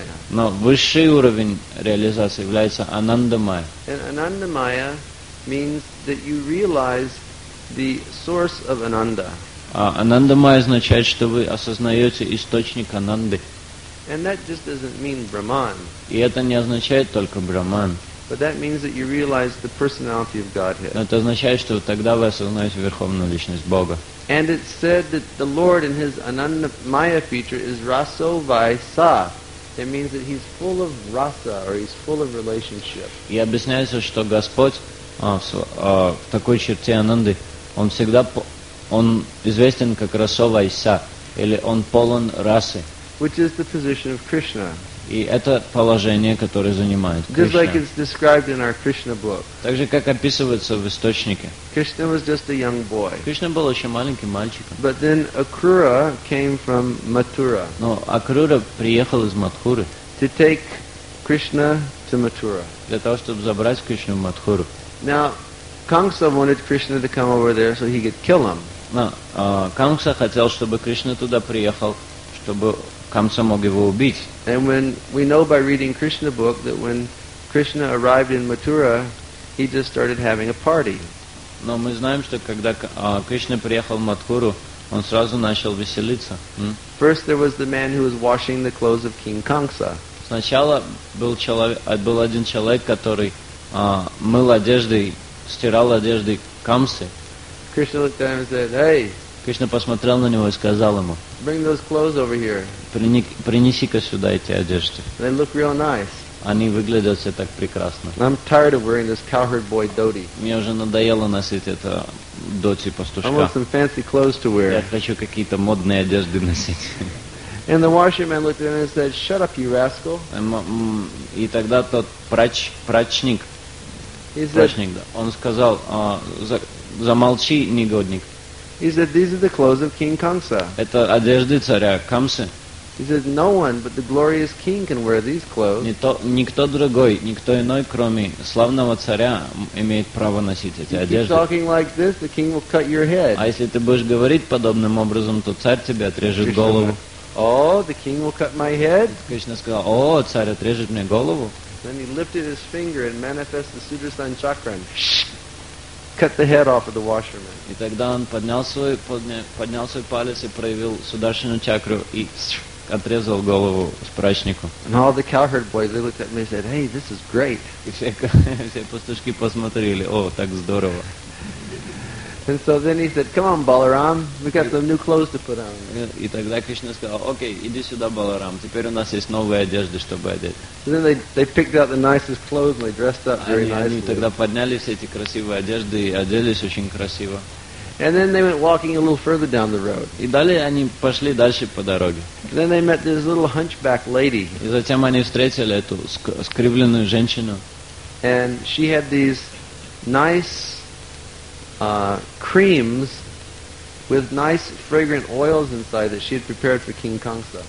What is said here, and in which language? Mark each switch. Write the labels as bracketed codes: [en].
[ru] Но высший уровень реализации является Анандамая. [en] And Анандамая means that you realize the source of Ананда. [ru] Анандамая означает, что вы осознаете источник Ананды. [en] And that just doesn't mean Brahman. [ru] И это не означает только Брахман. [en] But that means that you realize the personality of Godhead. [ru] Это означает, что тогда вы осознаете верховную личность Бога. [en] And it said that the Lord in his Anandamaya feature is raso vaisa. It means that he's full of rasa, or he's full of relationship. [ru] И объясняется, что Господь в такой черте Ананды, он всегда, он известен как raso vaisa, или он полон расы. [en] Which is the position of Krishna. [ru] И это положение, которое занимает Кришна. [en] Just like it's described in our Krishna book. [ru] Так же, как описывается в источнике. [en] Krishna was just a young boy. [ru] Кришна был еще маленьким мальчиком. [en] But then Akrura came from Mathura. [ru] Но Акрура приехал из Матхуры. [en] To take Krishna to Mathura. [ru] Для того, чтобы забрать Кришну в Матхуру. [en] Now, Kamsa wanted Krishna to come over there so he could kill him. [ru] Но Камса хотел, чтобы Кришна туда приехал, чтобы Камса мог его убить. [en] And when we know by reading Krishna book that when Krishna arrived in Mathura, he just started having a party. [ru] Но мы знаем, что когда Кришна приехал в Матхуру, он сразу начал веселиться. [en] First there was the man who was washing the clothes of King Kamsa. [ru] Сначала был человек, был один человек, который мыл одежды, стирал одежды Камсы. [en] Krishna looked at him and said, "Hey." [ru] Кришна посмотрел на него и сказал ему: [en] "Bring those clothes over here." [ru] Принеси-ка сюда эти одежды. [en] They look real nice. [ru] Они выглядят все так прекрасно. [en] I'm tired of wearing this cowherd boy dhoti. [ru] Мне уже надоело носить это доти пастушка. [en] I want some fancy clothes to wear. [ru] Я хочу какие-то модные одежды носить. [en] And the washerman looked at him and said, "Shut up, you rascal." [ru] И тогда тот прачник, он сказал: "Замолчи, негодник." [en] He said, "These are the clothes of King Kamsa." [ru] Это одежды царя Камсы. [en] He said, "No one but the glorious king can wear these clothes." [ru] Никто другой, никто иной, кроме славного царя, имеет право носить эти одежды. [en] If you keep talking like this, the king will cut your head. [ru] А если ты будешь говорить подобным образом, то царь тебе отрежет голову. [en] Oh, the king will cut my head. [ru] Кришна сказал: "О, царь отрежет мне голову." [en] Then he lifted his finger and manifested the Sudarshan Chakra. Cut the head off of the washerman. [ru] И тогда он поднял свой палец и проявил Сударшину чакру и отрезал голову спрачнику. [en] And all the cowherd boys, they looked at me and said, "Hey, this is great." [ru] И все пастушки посмотрели: "О, так здорово." [en] And so then he said, "Come on, Balaram, we got some new clothes to put on." [ru] И тогда Кришна сказал: "Окей, иди сюда, Баларам. Теперь у нас есть новые одежды, чтобы одеть." [en] So then they picked out the nicest clothes and they dressed up very nicely. [ru] Они тогда подняли все эти красивые одежды и оделись очень красиво. [en] And then they went walking a little further down the road. [ru] И далее они пошли дальше по дороге. [en] Then they met this little hunchback lady. [ru] И затем они встретили эту скривленную женщину. [en] And she had these nice creams with nice fragrant oils inside that she had prepared for King Kamsa.